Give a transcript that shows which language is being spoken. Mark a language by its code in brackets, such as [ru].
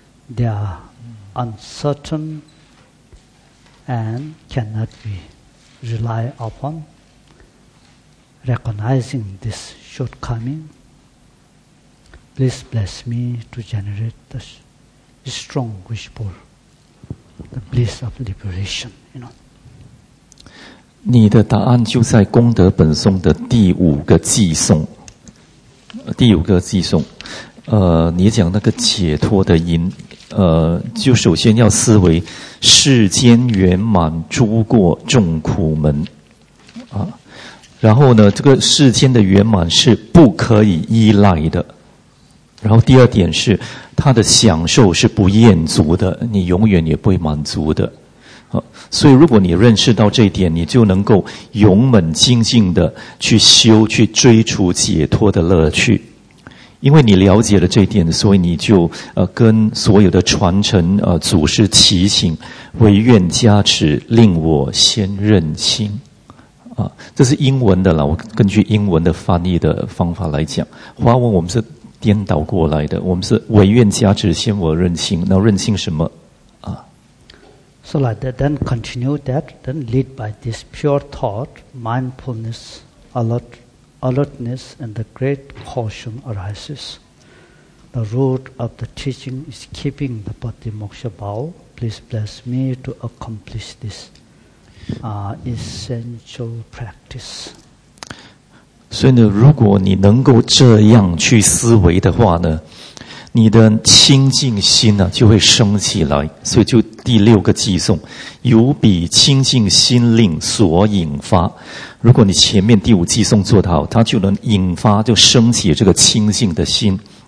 [en] they are uncertain and cannot be relied upon. Recognizing this shortcoming, please bless me to generate the strong wish for the bliss of liberation. You know. [zh] 你的答案就在功德本颂的第五个偈颂，第五个偈颂，你讲那个解脱的因，就首先要思维世间圆满诸过众苦门，啊，然后呢，这个世间的圆满是不可以依赖的，然后第二点是他的享受是不厌足的，你永远也不会满足的。所以如果你认识到这一点，你就能够勇猛精进的去修，去追逐解脱的乐趣。因为你了解了这一点，所以你就跟所有的传承祖师祈请，唯愿加持令我先认清。这是英文的啦，我根据英文的翻译的方法来讲，华文我们是颠倒过来的，我们是唯愿加持先我认清，那认清什么？ [en] So like that, then continue that, then lead by this pure thought, mindfulness, alertness, and the great caution arises. The root of the teaching is keeping the body moksha bow. Please bless me to accomplish this essential practice. [zh] 所以呢，如果你能够这样去思维的话呢，你的清净心呢就会升起来，所以就第六个偈颂，由彼清净心令所引发。如果你前面第五偈颂做得好，它就能引发，就升起这个清净的心。